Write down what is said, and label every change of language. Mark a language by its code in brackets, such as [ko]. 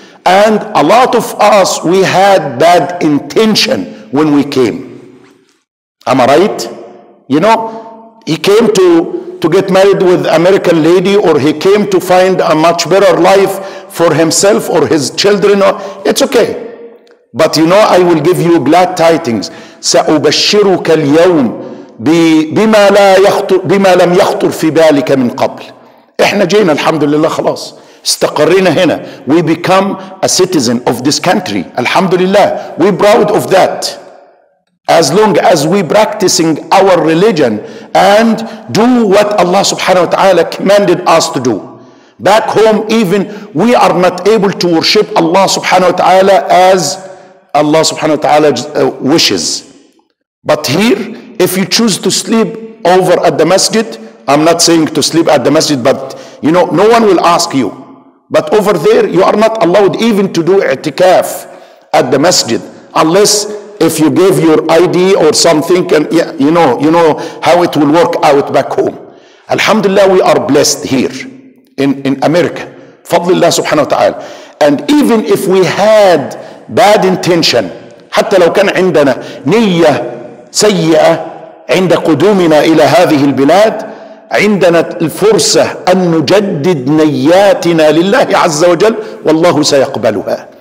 [en] And a lot of us, we had bad intention when we came. Am I right? You know, he came to get married with American lady, or he came to find a much better life for himself or his children. It's okay. But you know, I will give you glad tidings. [ar] سأبشرك اليوم بما لا يخطر بما لم يخطر في بالك من قبل. احنا جينا الحمد لله خلاص استقرينا هنا. [en] We become a citizen of this country. الحمد لله. We proud of that. As long as we practicing our religion and do what Allah subhanahu wa ta'ala commanded us to do. Back home even we are not able to worship Allah subhanahu wa ta'ala as Allah subhanahu wa ta'ala wishes. But here, if you choose to sleep over at the masjid, I'm not saying to sleep at the masjid, but you know, no one will ask you. But over there, you are not allowed even to do i'tikaf at the masjid, unless if you give your ID or something, and you know how it will work out back home. Alhamdulillah, we are blessed here in America. Fadlillah subhanahu wa ta'ala. And even if we had bad intention, [ar] حتى لو كان عندنا نية سيئة عند قدومنا إلى هذه البلاد، عندنا الفرصة أن نجدد نياتنا لله عز وجل والله سيقبلها.